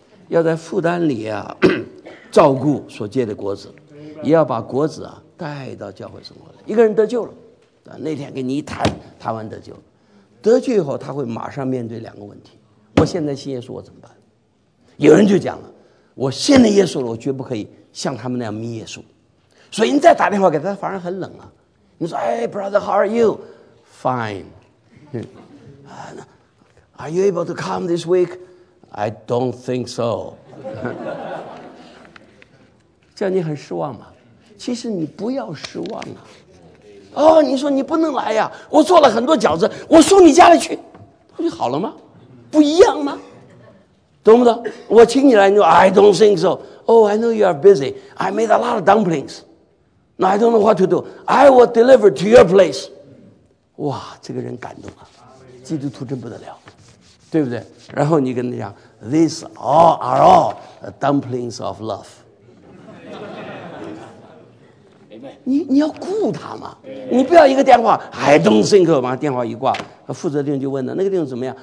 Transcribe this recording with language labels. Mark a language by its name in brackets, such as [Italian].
[Chinese] 要在负担里啊，照顾所结的果子，也要把果子啊带到教会生活来。一个人得救了，那天给你一谈，谈完得救了，得救以后他会马上面对两个问题：我现在信耶稣，我怎么办？有人就讲了，我信了耶稣了，我绝不可以像他们那样迷耶稣。所以你再打电话给他，反而很冷啊。你说：“哎 [English] ，brother， how are you？ Fine。 Are you able to come this week？” I don't think so. [Chinese] 这样你很失望吗？其实你不要失望啊。哦，你说你不能来呀，我做了很多饺子，我送你家里去，不就好了吗？不一样吗？懂不懂？我请你来，你说 [English] I don't think so. Oh, I know you are busy. I made a lot of dumplings. Now I don't know what to do. I will deliver to your place. [Chinese] 哇，这个人感动啊，基督徒真不得了，对不对？然后你跟他讲 [English] These all are all dumplings of love. [Chinese] 你要顾他嘛，你不要一个电话 [English] I don't think so. [Chinese] 把电话一挂，负责的人就问了，那个弟兄怎么样？